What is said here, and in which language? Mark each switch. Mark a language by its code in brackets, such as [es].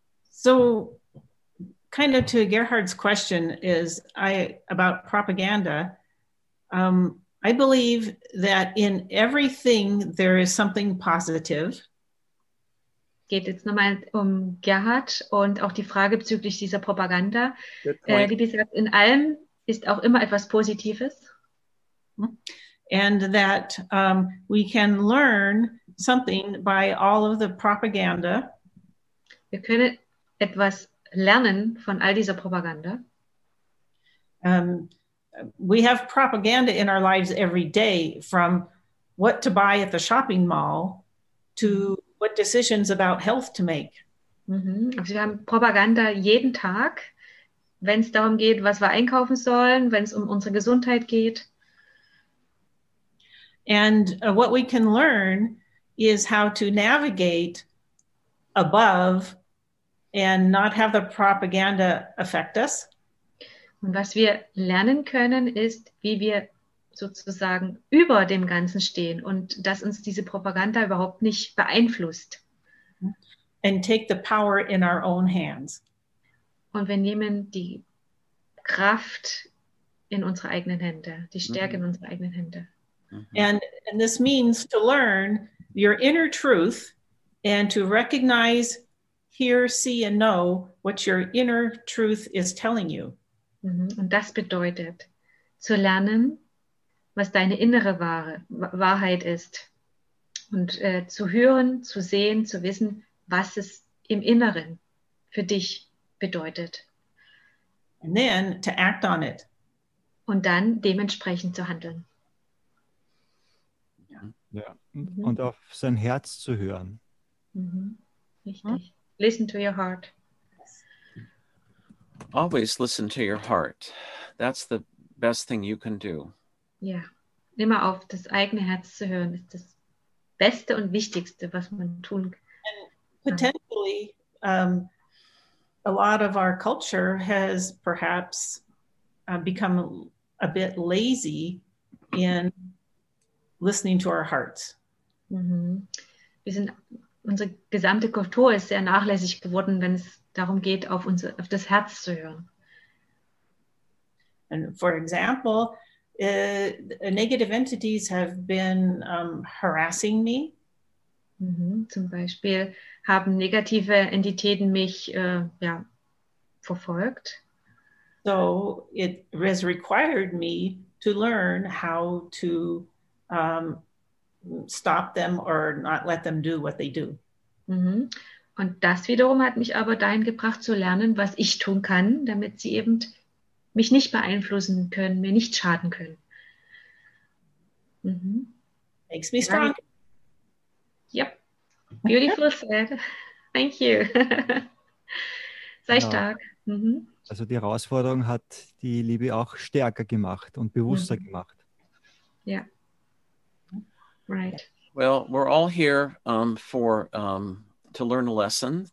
[en] So, kind of to Gerhard's question is about propaganda. I believe that in everything there is something positive. [de] Geht jetzt nochmal um Gerhard und auch die Frage bezüglich dieser Propaganda. Wie gesagt, in allem ist auch immer etwas Positives. [en] And that we can learn something by all of the propaganda. [de] Wir können etwas lernen von all dieser Propaganda. [en] We have propaganda in our lives every day from what to buy at the shopping mall to what decisions about health to make. [de] Also wir haben Propaganda jeden Tag, wenn es darum geht, was wir einkaufen sollen, wenn es um unsere Gesundheit geht. [en] And what we can learn is how to navigate above and not have the propaganda affect us. [de] Und was wir lernen können, ist, wie wir sozusagen über dem Ganzen stehen und dass uns diese Propaganda überhaupt nicht beeinflusst. [en] And take the power in our own hands. [de] Und wir nehmen die Kraft in unsere eigenen Hände, die Stärke in unsere eigenen Hände. [en] And this means to learn your inner truth and to recognize, hear, see and know what your inner truth is telling you. [de] Und das bedeutet, zu lernen, was deine innere Wahrheit ist. Und zu hören, zu sehen, zu wissen, was es im Inneren für dich bedeutet. [en] And then to act on it. [de] Und dann dementsprechend zu handeln. Ja. Und auf sein Herz zu hören. Richtig. [en] Hm? Listen to your heart. Always listen to your heart. That's the best thing you can do. [de] Ja, immer auf das eigene Herz zu hören, ist das Beste und Wichtigste, was man tun kann. [en] And potentially, a lot of our culture has perhaps become a bit lazy in listening to our hearts. Mm-hmm. [de] Wir sind, unsere gesamte Kultur ist sehr nachlässig geworden, wenn es darum geht, auf das Herz zu hören. [en] And for example, negative entities have been harassing me. Mm-hmm. [de] Zum Beispiel haben negative Entitäten mich verfolgt. [en] So it has required me to learn how to stop them or not let them do what they do. Mm-hmm. [de] Und das wiederum hat mich aber dahin gebracht zu lernen, was ich tun kann, damit sie eben mich nicht beeinflussen können, mir nicht schaden können. [en] Mm-hmm. Makes me strong. Yep. Beautiful said. Thank you. [de] Sei genau. Stark. [en] Mm-hmm. [de] Also die Herausforderung hat die Liebe auch stärker gemacht und bewusster gemacht. [en] Ja. Yeah. Right. Well, we're all here to learn a lesson.